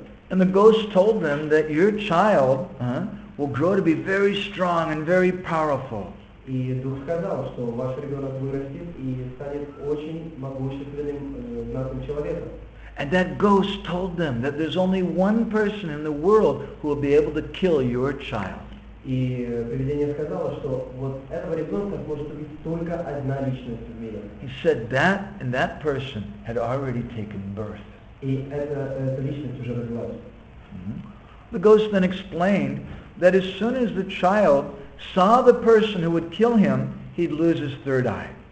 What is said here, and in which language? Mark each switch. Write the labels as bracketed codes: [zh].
[en] And the ghost told them that your child will grow to be very strong and very powerful. [ru] И дух сказал, что ваш ребенок вырастет и станет очень могущественным знатным человеком. [en] And that ghost told them that there's only one person in the world who will be able to kill your child. [ru] И привидение сказало, что вот этого ребенка может убить только одна личность в мире. [en] He said that, and that person had already taken birth. [ru] И эта личность уже родилась. [en] The ghost then explained that as soon as the child saw the person who would kill him, he'd lose his third eye.